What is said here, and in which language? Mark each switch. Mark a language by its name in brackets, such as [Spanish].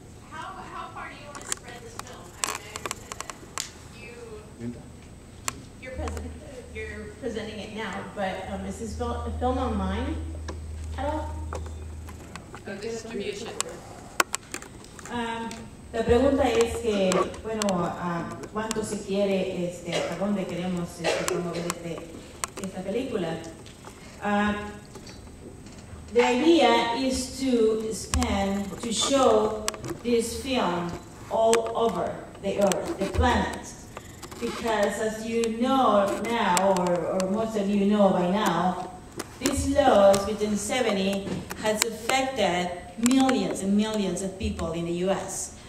[English] How far do you want to spread this film? I mean, I understand that you're presenting it now, but is this film online at all? The distribution. [Spanish] La pregunta es que, bueno, ¿cuánto se quiere, hasta dónde queremos promover esta película? [English] The idea is to spend, to show this film all over the earth, the planet. Because as you know now, or most of you know by now, this law within 70 has affected millions and millions of people in the U.S.